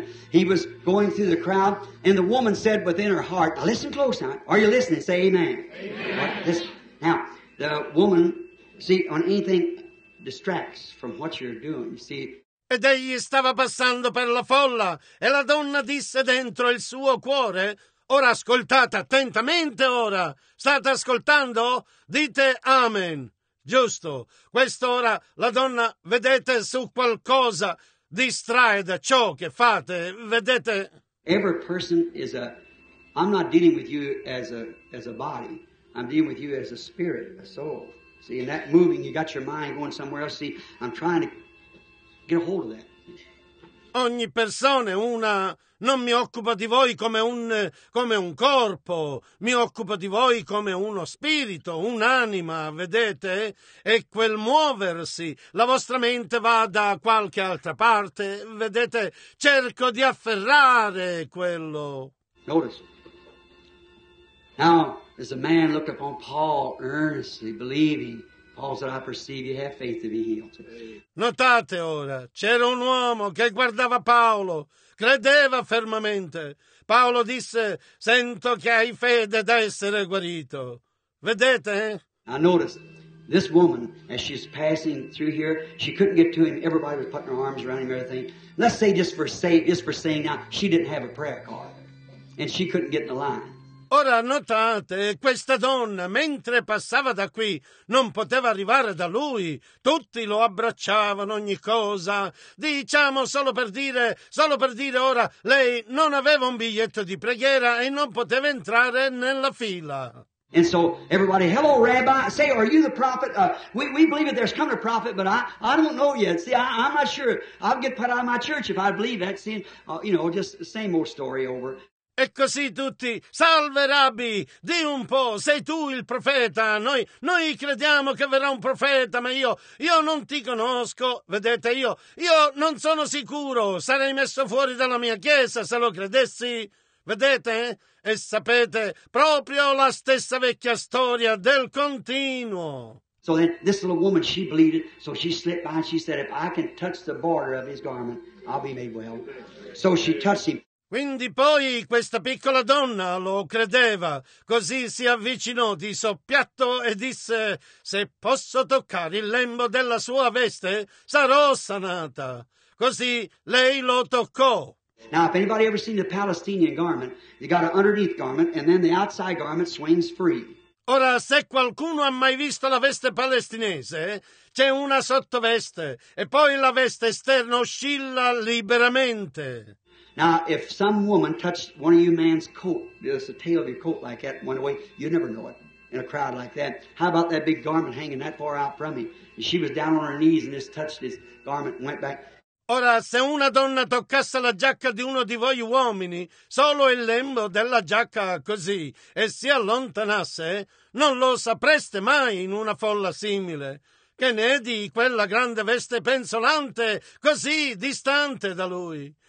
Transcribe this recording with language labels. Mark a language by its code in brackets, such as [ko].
[en] He was going through the crowd and the woman said within her heart, now listen close now, are you listening? Say amen. Amen. Now, the woman... See, on anything distracts from what you're doing, you see. [it] Ed egli stava passando per la folla, e la donna disse dentro il suo cuore, ora ascoltate attentamente ora, state ascoltando? Dite amen. Giusto, quest'ora la donna, vedete, su qualcosa distrae da ciò che fate, vedete? [en] Every person is a, I'm not dealing with you as a body, I'm dealing with you as a spirit, a soul. See, and that moving, you got your mind going somewhere else. See, I'm trying to get a hold of that. [it] Ogni persona, una, non mi occupo di voi come un corpo, mi occupo di voi come uno spirito, un'anima, vedete? E quel muoversi, la vostra mente va da qualche altra parte, vedete? Cerco di afferrare quello. [en] Notice. Now, as a man looked upon Paul earnestly, believing, Paul said, I perceive you have faith to be healed. [it] Notate ora, c'era un uomo che guardava Paolo, credeva fermamente. Paolo disse, sento che hai fede da essere guarito. Vedete? [en] I noticed this woman, as she's passing through here, she couldn't get to him. Everybody was putting their arms around him, everything. Let's say just for saying now, she didn't have a prayer card and she couldn't get in the line. [it] Ora notate, questa donna, mentre passava da qui, non poteva arrivare da lui. Tutti lo abbracciavano, ogni cosa. Diciamo solo per dire ora, lei non aveva un biglietto di preghiera e non poteva entrare nella fila. [en] And so everybody, hello Rabbi, say, are you the prophet? We believe that there's come a prophet, but I don't know yet. See, I'm not sure. I'll get put out of my church if I believe that. See, just the same old story over. [it] E così tutti, salve Rabbi, di un po', sei tu il profeta, noi crediamo che verrà un profeta, ma io non ti conosco, vedete, io non sono sicuro, sarei messo fuori dalla mia chiesa se lo credessi, vedete? E sapete, proprio la stessa vecchia storia del continuo. [en] So then this little woman, she bleeded, so she slipped by and she said, if I can touch the border of his garment, I'll be made well. So she touched him. [it] Quindi poi questa piccola donna lo credeva, così si avvicinò di soppiatto e disse, se posso toccare il lembo della sua veste, sarò sanata. Così lei lo toccò. [en] Now, if anybody ever seen the Palestinian garment, you got an underneath garment, and then the outside garment swings free. [it] Ora, se qualcuno ha mai visto la veste palestinese, c'è una sottoveste, e poi la veste esterna oscilla liberamente. [en] Now, if some woman touched one of you man's coat, just the tail of your coat like that, went away, you'd never know it in a crowd like that. How about that big garment hanging that far out from me? And she was down on her knees and just touched his garment and went back. [it] Ora, se una donna toccasse la giacca di uno di voi uomini, solo il lembo della giacca così, e si allontanasse, non lo sapreste mai in una folla simile. Che ne è di quella grande veste penzolante, così distante da lui?